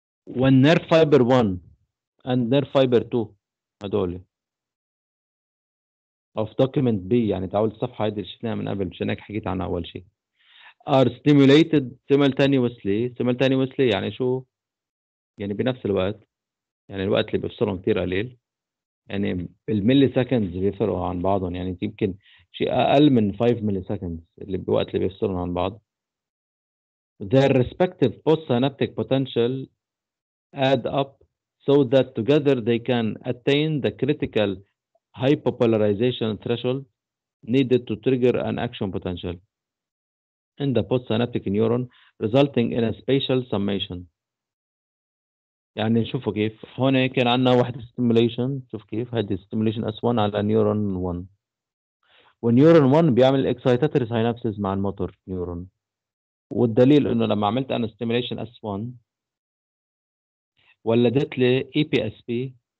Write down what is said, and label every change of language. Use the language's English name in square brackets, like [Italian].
[English] When nerve fiber 1 and nerve fiber 2 [Arabic] هدول [English] of document B، [Arabic] يعني تعول الصفحة هيدي اللي شفناها من قبل مش هناك حكيت عنها أول شيء، [English] are stimulated simultaneously. [Arabic] simultaneously يعني شو؟ يعني بنفس الوقت، يعني الوقت اللي بيفصلهم كتير قليل، يعني بالملي سكندز بيفرقوا عن بعضهم، يعني يمكن شيء اقل من 5 ملي سكندز اللي بوقت اللي بيفصلوا عن بعض. [English] Their respective postsynaptic potential add up so that together they can attain the critical hypopolarization threshold needed to trigger an action potential in the postsynaptic neuron resulting in a spatial summation. [Arabic] يعني نشوفوا كيف هون كان عندنا واحد stimulation. شوف كيف هذه stimulation S1 على neuron 1، والneuron 1 بيعمل [English] excitatory synapses [Arabic] مع الموتور neuron، والدليل انه لما عملت انا stimulation S1 ولدت لي EPSP.